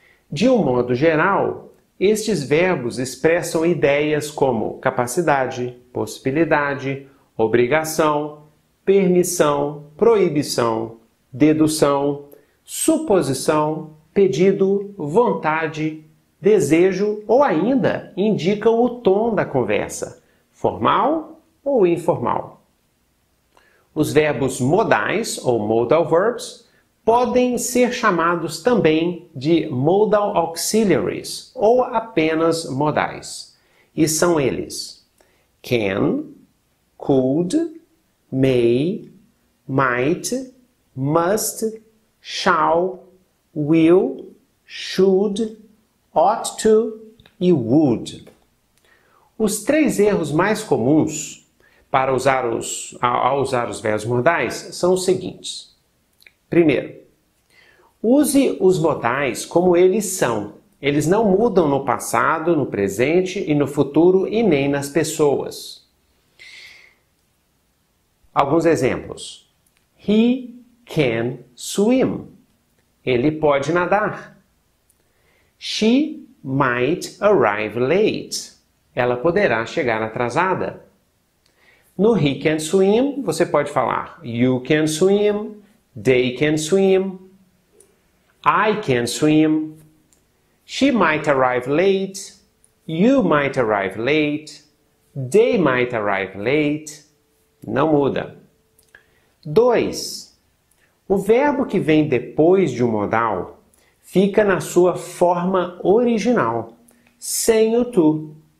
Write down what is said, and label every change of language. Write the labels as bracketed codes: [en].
[pt] De um modo geral, estes verbos expressam ideias como capacidade, possibilidade, obrigação, permissão, proibição, dedução, suposição, pedido, vontade, desejo ou ainda indicam o tom da conversa, formal ou informal. Os verbos modais, ou modal verbs, podem ser chamados também de modal auxiliaries, ou apenas modais. E são eles: can, could, may, might, must, shall, will, should, ought to e would. Os três erros mais comuns ao usar os verbos modais são os seguintes. Primeiro, use os modais como eles são. Eles não mudam no passado, no presente e no futuro e nem nas pessoas. Alguns exemplos. [en] He can swim. [pt] Ele pode nadar. [en] She might arrive late. [pt] Ela poderá chegar atrasada. [en] No he can swim, [pt] você pode falar [en] you can swim, they can swim, I can swim, she might arrive late, you might arrive late, they might arrive late. [pt] Não muda. 2. O verbo que vem depois de um modal fica na sua forma original, sem o to.